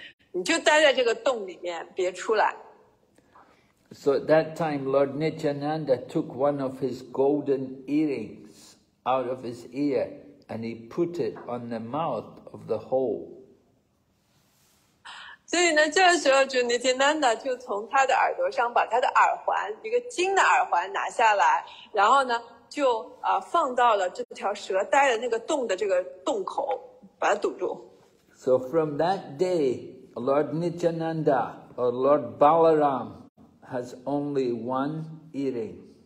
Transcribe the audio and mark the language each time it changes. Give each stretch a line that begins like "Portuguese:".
Chinese: 你就待在这个洞里面，别出来。
English: So at that time, Lord Nityananda took one of his golden earrings out of his ear, and he put it on the mouth of the hole.
Chinese: 所以呢，这个时候主尼铁南达就从他的耳朵上把他的耳环，一个金的耳环拿下来，然后呢，就放到了这条蛇待的那个洞的这个洞口，把它堵住。
English: So from that day. Lord Nityananda or Lord Balaram has only one earring.